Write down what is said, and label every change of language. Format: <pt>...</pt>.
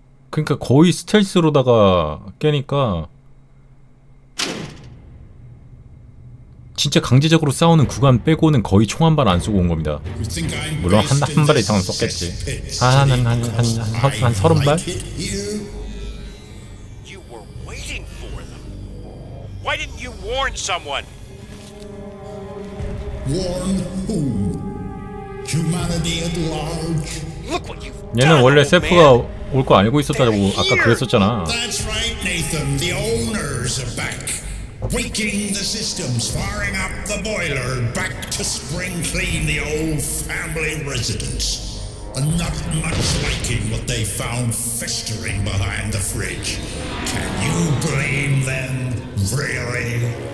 <ko>그러니까 거의 스텔스로다가 깨니까 진짜 강제적으로 싸우는 구간 빼고는 거의 총 한 발 안 쏘고 온 겁니다. 물론 한 발 이상은 썼겠지. 한 서른 발?</ko> <en>You were waiting for them. Why didn't you warn someone? Warn who? Humanity at large. Look what you've done.</en> <ko>얘는 원래 세프가 올 거 알고 있었다고 아까 그랬었잖아.</ko> <en>That's right, Nathan. The owners are back. Waking the systems, firing up the boiler, back to spring clean the old family residence. And not much liking what they found festering behind the fridge. Can you blame them, really?</en>